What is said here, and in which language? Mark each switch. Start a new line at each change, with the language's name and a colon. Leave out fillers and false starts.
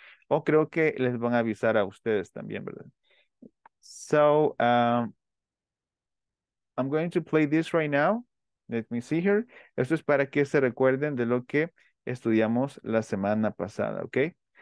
Spanish: O creo que les van a avisar a ustedes también, ¿verdad?
English: So, I'm going to play this right now. Let me see here.
Spanish: Esto es para que se recuerden de lo que estudiamos la semana pasada, ¿ok?